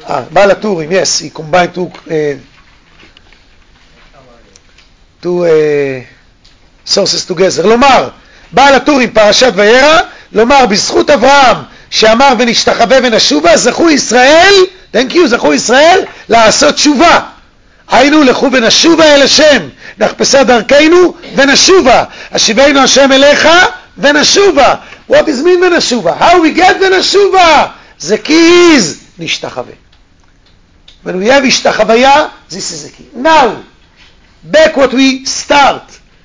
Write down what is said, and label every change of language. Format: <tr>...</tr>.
<en>בעל הטורים, yes, he combined two sources together.</en> <he>לומר, בעל הטורים, פרשת וירא, לומר, בזכות אברהם, שאמר ונשתחווה ונשובה, זכו ישראל,</he> <en>thank you,</en> <he>זכו ישראל, לעשות תשובה. היינו, לכו ונשובה אל השם, נחפשה דרכנו ונשובה. השיבנו השם אליך ונשובה.</he> <en>What is mean ונשובה? How we get ונשובה? The key is, נשתחווה. When we have השתחוויה, this is the key. Now, back what we start.</en>